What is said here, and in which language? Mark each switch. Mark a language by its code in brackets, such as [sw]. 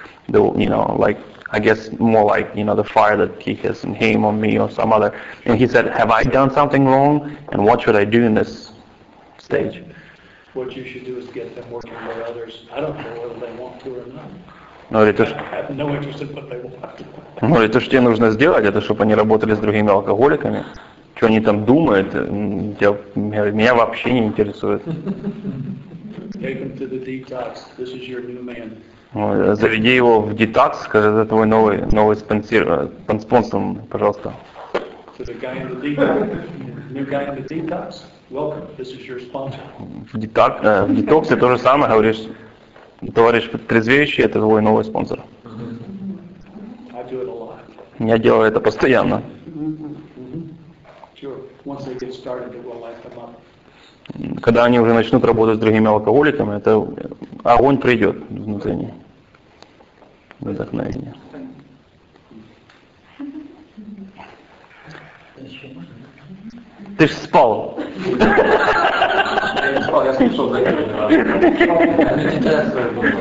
[en] They, you know, like, I guess more like, you know, the fire that he has in him or me or some other. And he said, have I done something wrong? And what should I do in this stage? What you should do is get them working with others. I don't care whether they want to or not. No, I have no interest in what they want. [ru] Ну, это же тебе нужно сделать, это чтобы они работали с другими алкоголиками. Что они там думают, меня вообще не интересует. [en] Take them to the detox. This is your new man. [ru] Заведи его в детокс, скажи, это твой новый спонсор, пожалуйста. [en] To the guy in the detox. New guy in the detox. Welcome. This is your sponsor. [ru] В детоксе то же самое говоришь. Товарищ трезвеющий, это твой новый спонсор. [en] I do it a lot. [ru] Я делаю это постоянно. [en] Sure. Once they get started, it will light them up. [ru] Когда они уже начнут работать с другими алкоголиками, это огонь придет внутри них. Вдохновение. Ты ж спал. Я не спал, я слушал за этим.